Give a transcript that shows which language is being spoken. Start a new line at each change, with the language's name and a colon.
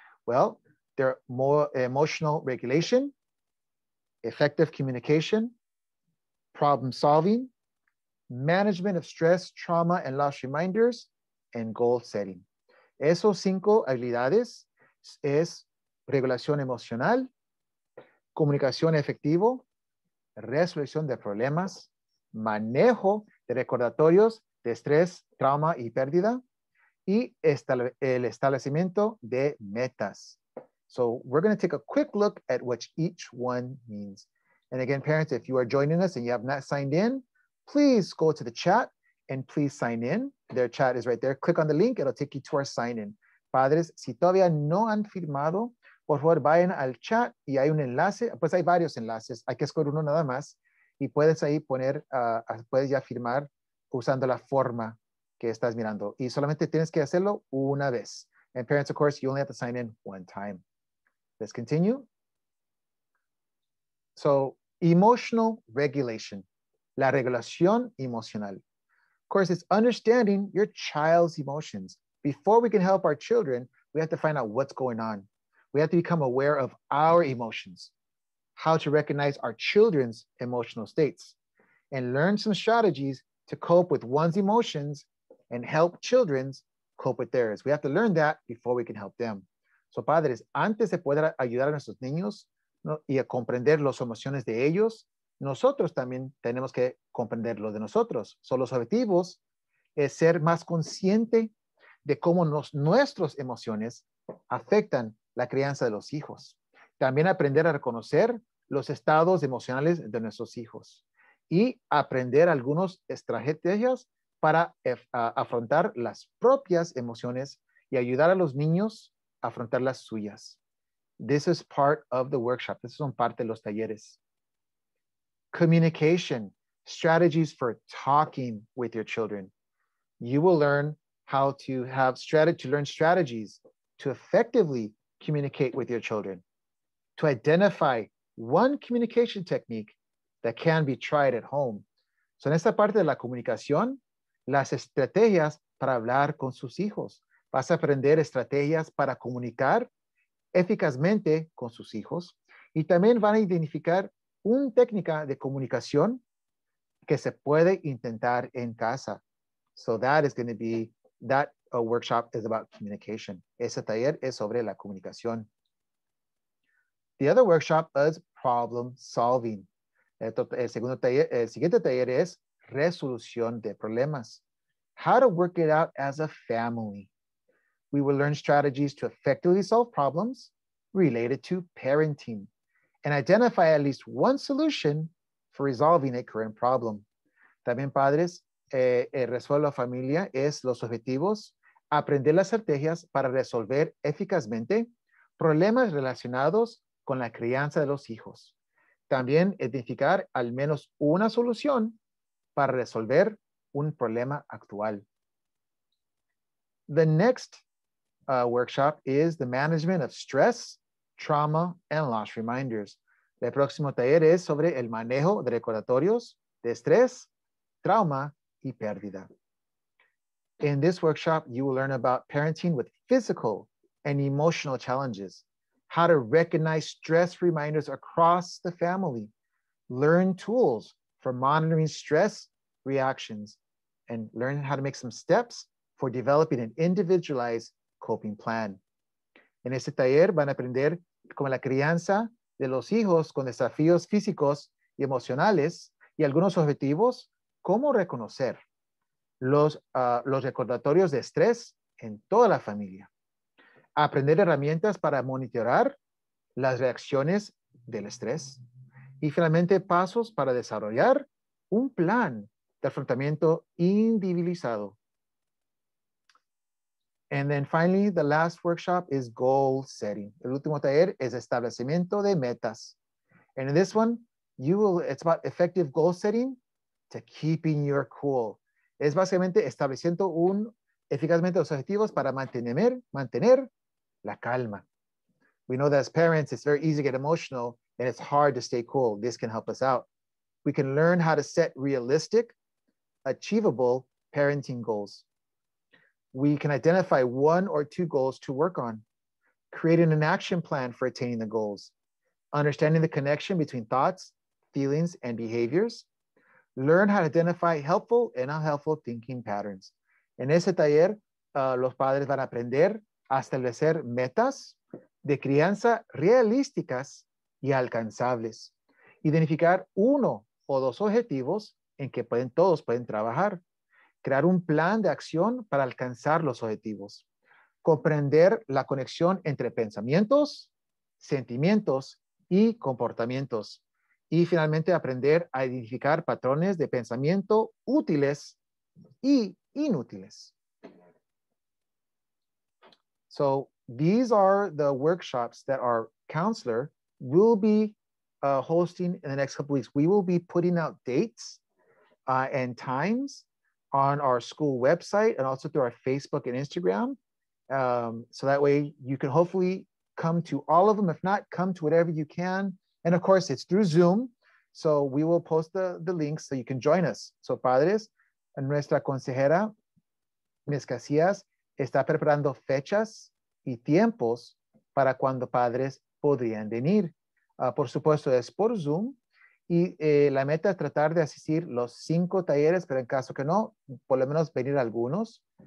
English: Well, they're emotional regulation, effective communication, problem solving, management of stress, trauma, and loss reminders, and goal setting.
Spanish: Esos cinco habilidades es regulación emocional, comunicación efectivo, resolución de problemas, manejo de recordatorios de estrés, trauma y pérdida, y el establecimiento de metas.
English: So we're going to take a quick look at what each one means. And again, parents, if you are joining us and you have not signed in, please go to the chat and please sign in. Their chat is right there. Click on the link. It'll take you to our sign-in.
Spanish: Padres, si todavía no han firmado, por favor, vayan al chat y hay un enlace. Pues hay varios enlaces. Hay que escoger uno nada más. Y puedes ahí poner, puedes ya firmar usando la forma que estás mirando. Y solamente tienes que hacerlo una vez.
English: And parents, of course, you only have to sign in one time. Let's continue. So, emotional regulation.
Spanish: La regulación emocional.
English: Of course, it's understanding your child's emotions. Before we can help our children, we have to find out what's going on. We have to become aware of our emotions, how to recognize our children's emotional states, and learn some strategies to cope with one's emotions and help children's cope with theirs. We have to learn that before we can help them.
Spanish: So, padres, antes de poder ayudar a nuestros niños, ¿no?, y a comprender las emociones de ellos, nosotros también tenemos que comprender lo de nosotros. So, los objetivos es ser más consciente de cómo nuestras emociones afectan la crianza de los hijos. También aprender a reconocer los estados emocionales de nuestros hijos y aprender algunas estrategias para afrontar las propias emociones y ayudar a los niños a afrontar las suyas.
English: This is part of the workshop. This is on
Spanish: parte de los talleres.
English: Communication, strategies for talking with your children. You will learn how to learn strategies to effectively communicate with your children, to identify one communication technique that can be tried at home.
Spanish: So, en esta parte de la comunicación, las estrategias para hablar con sus hijos. Vas a aprender estrategias para comunicar eficazmente con sus hijos. Y también van a identificar una técnica de comunicación que se puede intentar en casa.
English: So that is going to be, that workshop is about communication.
Spanish: Ese taller es sobre la comunicación.
English: The other workshop is problem solving.
Spanish: El siguiente taller es resolución de problemas.
English: How to work it out as a family. We will learn strategies to effectively solve problems related to parenting and identify at least one solution for resolving a current problem.
Spanish: También, padres, resuelva familia es los objetivos. Aprender las estrategias para resolver eficazmente problemas relacionados con la crianza de los hijos. También identificar al menos una solución para resolver un problema actual.
English: The next workshop is the management of stress, trauma, and loss reminders.
Spanish: El próximo taller es sobre el manejo de recordatorios de estrés, trauma, y pérdida.
English: In this workshop, you will learn about parenting with physical and emotional challenges, how to recognize stress reminders across the family, learn tools for monitoring stress reactions, and learn how to make some steps for developing an individualized coping plan.
Spanish: En este taller van a aprender cómo la crianza de los hijos con desafíos físicos y emocionales y algunos objetivos, cómo reconocer los recordatorios de estrés en toda la familia. Aprender herramientas para monitorar las reacciones del estrés. Y finalmente, pasos para desarrollar un plan de afrontamiento individualizado.
English: And then finally, the last workshop is goal setting.
Spanish: El último taller es establecimiento de metas.
English: And in this one, it's about effective goal setting to keeping your cool.
Spanish: Es básicamente estableciendo eficazmente los objetivos para mantener la calma.
English: We know that as parents, it's very easy to get emotional and it's hard to stay cool. This can help us out. we can learn how to set realistic, achievable parenting goals. We can identify one or two goals to work on, creating an action plan for attaining the goals, understanding the connection between thoughts, feelings, and behaviors, learn how to identify helpful and unhelpful thinking patterns.
Spanish: En ese taller, los padres van a aprender a establecer metas de crianza realísticas y alcanzables, identificar uno o dos objetivos en que pueden, todos pueden trabajar, crear un plan de acción para alcanzar los objetivos, comprender la conexión entre pensamientos, sentimientos y comportamientos, y finalmente aprender a identificar patrones de pensamiento útiles y inútiles.
English: So these are the workshops that our counselor will be hosting in the next couple weeks. We will be putting out dates and times on our school website and also through our Facebook and Instagram. So that way you can hopefully come to all of them. If not, come to whatever you can. And of course, it's through Zoom. So we will post the links so you can join us.
Spanish: So padres, nuestra consejera, Ms. Casillas, está preparando fechas y tiempos para cuando padres podrían venir. Por supuesto, es por Zoom. Y la meta es tratar de asistir los 5 talleres, pero en caso que no, por lo menos venir algunos.